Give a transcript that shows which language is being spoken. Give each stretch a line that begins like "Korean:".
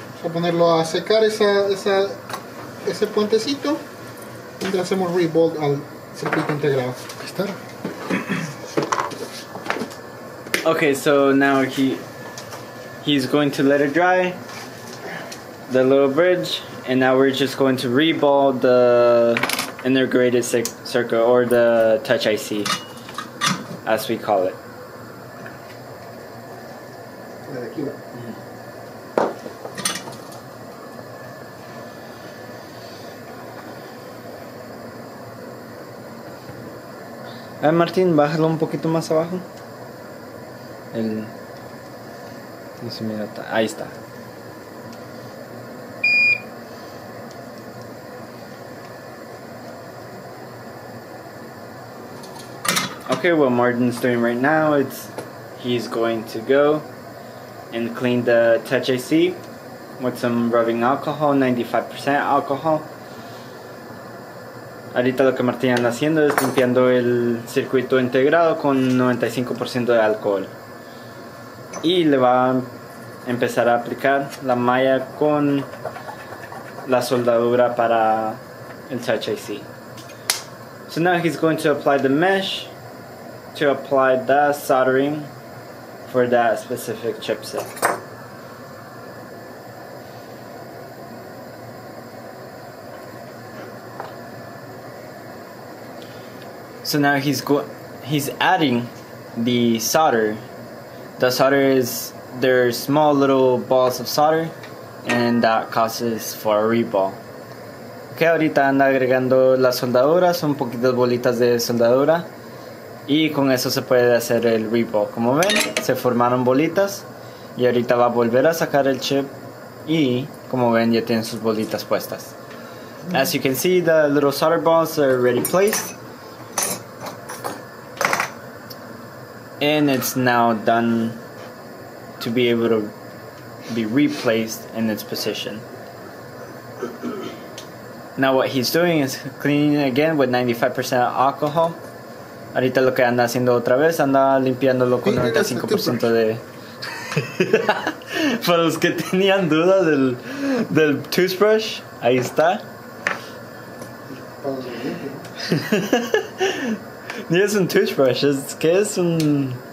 Spanish: ponerlo a secar ese puentecito mientras hacemos rebuild al circuito integrado.
English: Okay, so now he's going to let it dry, the little bridge, and now we're just going to rebuild the integrated circuit, or the touch IC as we call it.
Spanish: Martín, bájalo un poquito más abajo. El... No se mira, ahí está.
English: Okay, well, Martin's doing right now, it's he's going to go and clean the touch AC with some rubbing alcohol, 95% alcohol.
Spanish: Ahorita lo que Martín anda haciendo es limpiando el circuito integrado con 95% de alcohol. Y le va a empezar a aplicar la malla con la soldadura para el touch AC.
English: So now he's going to apply the mesh to apply the soldering for that specific chipset. So now he's adding the solder. The solder is, there's small little balls of solder, and that causes for a reball.
Spanish: Okay, ahorita anda agregando la soldadura, son poquitas bolitas de soldadura. Y con eso se puede hacer el reball. Como ven, se formaron bolitas. Y ahorita va a volver a sacar el chip. Y como ven, ya tienen sus bolitas puestas.
English: As you can see, the little solder balls are already placed. And it's now done to be able to be replaced in its position. Now what he's doing is cleaning it again with 95% alcohol.
Spanish: Ahorita lo que anda haciendo otra vez, anda limpiándolo con 95% de... Para los que tenían duda del toothbrush, ahí está. Ni es un toothbrush, es que es un...